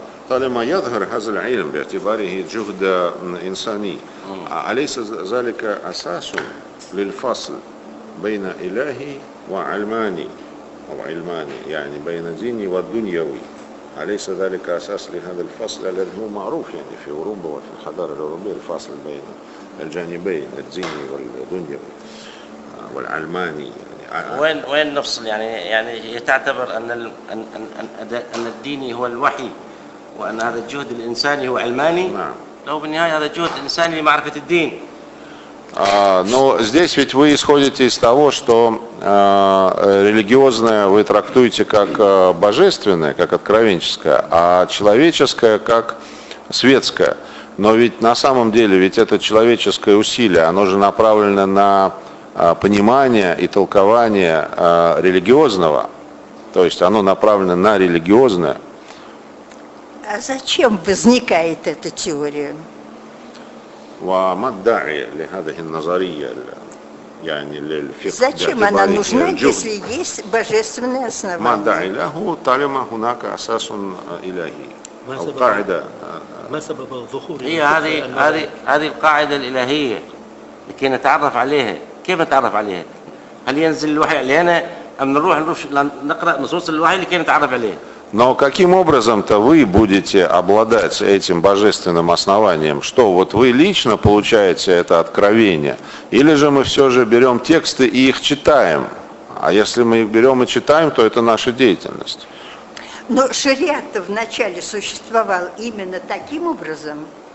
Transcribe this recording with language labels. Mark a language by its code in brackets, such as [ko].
[ar] طالما يظهر هذا العلم باعتباره جهد إنساني أليس ذلك أساس للفصل بين إلهي وعلماني أو علماني يعني بين ديني والدنيوي أليس ذلك أساس لهذا الفصل الذي هو معروف يعني في أوروبا وفي الحضارة الأوروبية الفصل بين الجانبين الديني والدنيوي والعلماني وين نفصل يعني تعتبر أن الديني هو الوحي وأن هذا الجهد الإنساني هو علماني. نعم. لو بالنهاية هذا الجهد الإنساني لمعرفة الدين. [ru] Но здесь ведь вы исходите из того, что религиозное вы трактуете как божественное, как откровенческое, а человеческое как светское. Но ведь на самом деле ведь это человеческое усилие, оно же направлено на понимание и толкование религиозного. То есть оно направлено на религиозное. А зачем возникает эта теория? [ar] وما الداعي لهذه النظرية يعني للفقه؟ [ru] Зачем она нужна, если есть божественные основания? [ar] ما الداعي له طالما هناك أساس إلهي. القاعدة. ما سبب ظهور؟ هي هذه القاعدة الإلهية لكي نتعرف عليها. كيف نتعرف عليها؟ هل ينزل الوحي علينا أم نروح نقرأ نصوص الوحي لكي نتعرف عليها؟ [ru] Но каким образом-то вы будете обладать этим божественным основанием? Что, вот вы лично получаете это откровение? Или же мы все же берем тексты и их читаем? А если мы их берем и читаем, то это наша деятельность. Но шариат-то вначале существовал именно таким образом?